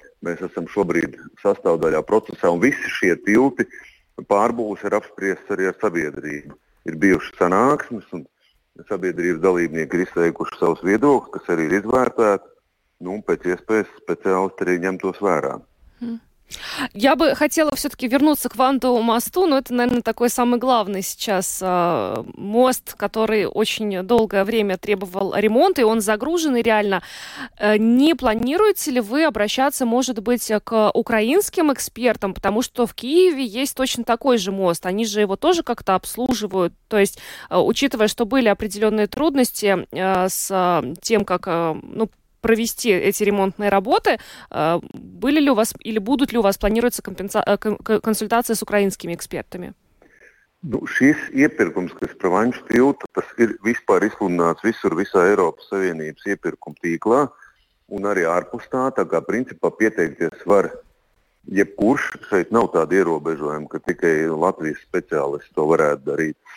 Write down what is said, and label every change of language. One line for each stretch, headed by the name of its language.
Latvian: Mēs esam šobrīd sastāvdaļā procesā, un visi šie tilti pārbūves ir apspriests arī ar sabiedrību. Ir bijušas sanāksmes, un sabiedrības dalībnieki ir izteikuši savus viedokļus, kas arī ir izvērtēti, nu, pēc iespējas speciālisti arī ņemtos vērā.
Russian: Я бы хотела все-таки вернуться к Вантовому мосту, но это, наверное, такой самый главный сейчас мост, который очень долгое время требовал ремонта, и он загружен, и реально. Не планируете ли вы обращаться, может быть, к украинским экспертам? Потому что в Киеве есть точно такой же мост, они же его тоже как-то обслуживают. То есть, учитывая, что были определенные трудности с тем, как... ну, провести эти ремонтные работы, были ли у вас или будут ли у вас планируются консультации с украинскими экспертами?
Latvian: Ну, šis iepirkums, kas par Vaņš tiltu, tas ir vispār izsludināts visur visā Eiropas Savienības iepirkuma tīklā un arī ārpus tā, tā kā principā pieteikties var jebkurš, šeit nav tāda ierobežojuma, ka tikai Latvijas speciālisti to varētu darīt.